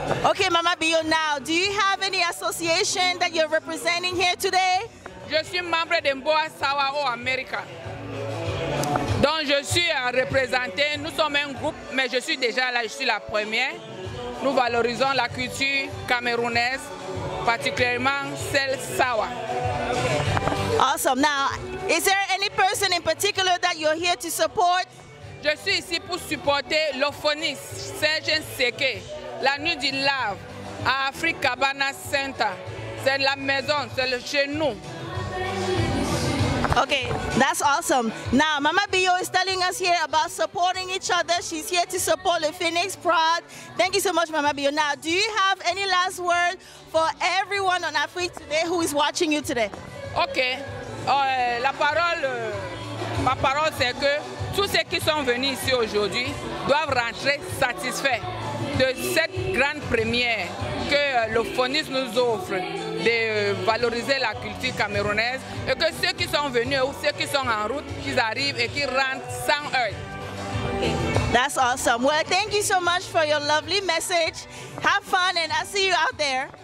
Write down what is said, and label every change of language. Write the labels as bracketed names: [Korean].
[English] Okay, Mama Bio, now, do you have any association that you're representing here today? [French] Je suis membre de Mboa Sawa au America. Donc, je suis représenté. Nous sommes un groupe, mais je suis déjà là. Je suis la première. Nous valorisons la culture camerounaise, particulièrement celle Sawa. [English] Awesome. Now, is there any person in particular that you're here to support? [French] Je suis ici pour supporter l'Ophonis, Serge Nseke, la Nuit du Lave, à Afrique Cabana Center. C'est la maison, c'est le chez nous. [English] Okay, that's awesome. Now, Mama Bio is telling us here about supporting each other. She's here to support the Phoenix Pride. Thank you so much, Mama Bio. Now, do you have any last word for everyone on Afrique today who is watching you today? [French] Ok, ma parole c'est que tous ceux qui sont venus ici aujourd'hui doivent rentrer satisfaits de cette grande première que l'Ophonis nous offre de valoriser la culture camerounaise et que ceux qui sont venus ou ceux qui sont en route, qu'ils arrivent et qu'ils rentrent sans eux. [English] That's awesome. Well, thank you so much for your lovely message. Have fun and I'll see you out there.